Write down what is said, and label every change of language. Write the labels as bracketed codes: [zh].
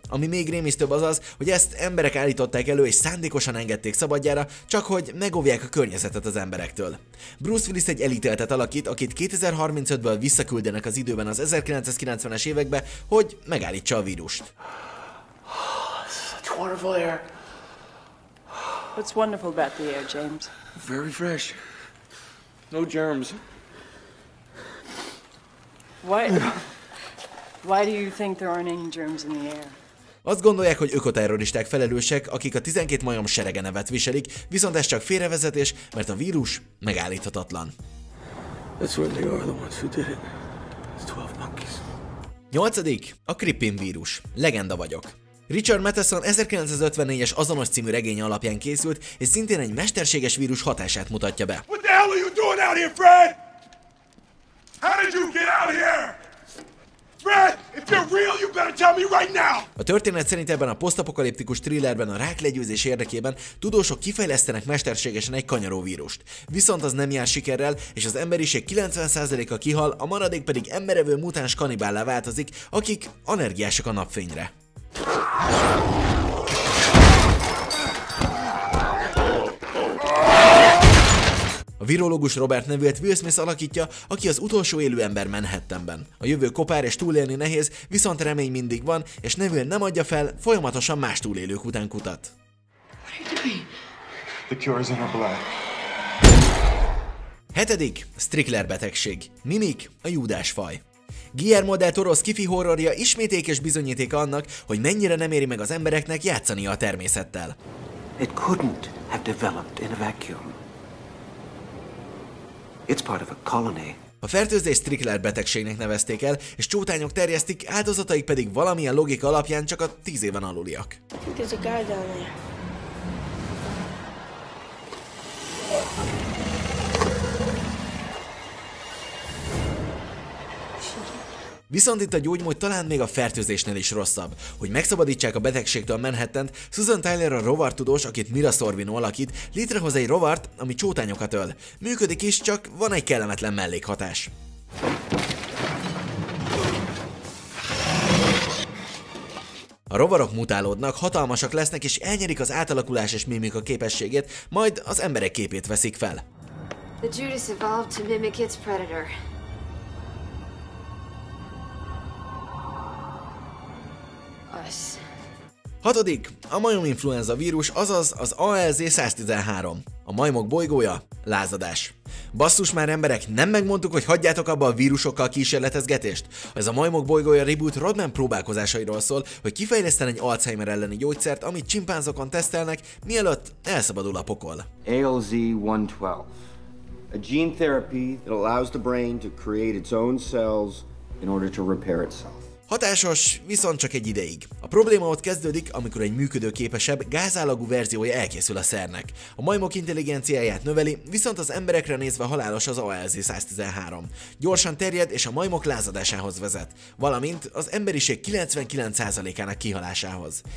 [hu] Ami még rémisztőbb azaz, hogy ezt emberek állították elő és szándékosan engedték szabadjára, csak hogy megóvják a környezetet az emberektől. Bruce Willis egy elítéltet alakít, akit 2035-ből visszaküldenek az időben az 1990-es évekbe, hogy megállítsa a vírust. [en] It's wonderful air. What's wonderful about the air, James? Very fresh. No germs. Why do you think there aren't any germs in the air? [hu] Azt gondolják, hogy ökoterroristák felelősek, akik a 12 majom serege nevet viselik, viszont ez csak félrevezetés, mert a vírus megállíthatatlan. [en] That's where they are, the ones who did it. It's 12 monkeys. [hu] 8. A Crippin vírus. Legenda vagyok. Richard Matheson 1954-es Azonos című regénye alapján készült, és szintén egy mesterséges vírus hatását mutatja be. [en] What the hell are you doing out here, Fred? How did you get out here? Fred, if you're real, you better tell me right now! [hu] A történet szerint ebben a posztapokaliptikus thrillerben a rák legyőzés érdekében tudósok kifejlesztenek mesterségesen egy kanyaróvírust. Viszont az nem jár sikerrel, és az emberiség 90%-a kihal, a maradék pedig emberevő mutáns kanibállá változik, akik allergiásak a napfényre. A virológus Robert nevűt Will Smith alakítja, aki az utolsó élő ember Manhattanben. A jövő kopár és túlélni nehéz, viszont remény mindig van, és nevűt nem adja fel, folyamatosan más túlélők után kutat. [en] The cure is in a black. [hu] 7. Strickler betegség. Mimik, a Júdás faj. Guillermo del Toro sci-fi horrorja ismét ékes bizonyítéka annak, hogy mennyire nem éri meg az embereknek játszani a természettel. [en] It couldn't have developed in a vacuum. It's part of a colony. [hu] A fertőzés Strickler betegségnek nevezték el, és csótányok terjesztik, áldozataik pedig valamilyen logika alapján csak a 10 éven aluliak. Viszont itt a gyógymód talán még a fertőzésnél is rosszabb. Hogy megszabadítsák a betegségtől Manhattant, Susan Tyler a rovartudós, akit Mira Sorvino alakít, létrehoz egy rovart, ami csótányokat öl. Működik is, csak van egy kellemetlen mellékhatás. A rovarok mutálódnak, hatalmasak lesznek és elnyerik az átalakulás és mimika képességét, majd az emberek képét veszik fel. [en] The Judas evolved to mimic its predator. Us. [hu] 6. A majom influenza vírus, azaz az ALZ-113. A majmok bolygója, lázadás. Basszus már emberek, nem megmondtuk, hogy hagyjátok abba a vírusokkal kísérletezgetést? Ez a majmok bolygója reboot Rodman próbálkozásairól szól, hogy kifejleszten egy Alzheimer elleni gyógyszert, amit csimpánzokon tesztelnek, mielőtt elszabadul a pokol. [en] ALZ-112. A gene therapy that allows the brain to create its own cells in order to repair itself. [hu] Hatásos, viszont csak egy ideig. A probléma ott kezdődik, amikor egy működőképesebb, gázállagú verziója elkészül a szernek. A majmok intelligenciáját növeli, viszont az emberekre nézve halálos az ALZ-113. Gyorsan terjed és a majmok lázadásához vezet, valamint az emberiség 99%-ának kihalásához.